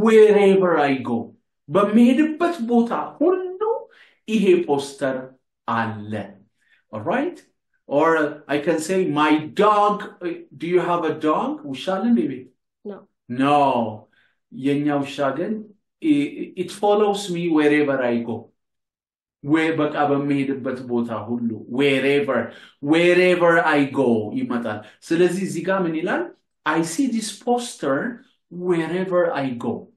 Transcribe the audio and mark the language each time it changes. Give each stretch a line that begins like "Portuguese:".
English: Wherever I go.
Amharic: በሚሄድበት ቦታ ሁሉ ይሄ ፖስተር አለ.
English: All right? Or I can say my dog. Do you have a dog?
Amharic: ውሻለ ቢቢ?
English: No. No.
Amharic: የኛ ውሻ ግን
English: it follows me wherever I go.
Amharic: ወይ በቃ በሚሄድበት ቦታ ሁሉ
English: wherever I go
Amharic: ይመጣል። ስለዚህ እዚህ ጋር ምን ይላል?
English: I see this poster wherever I go.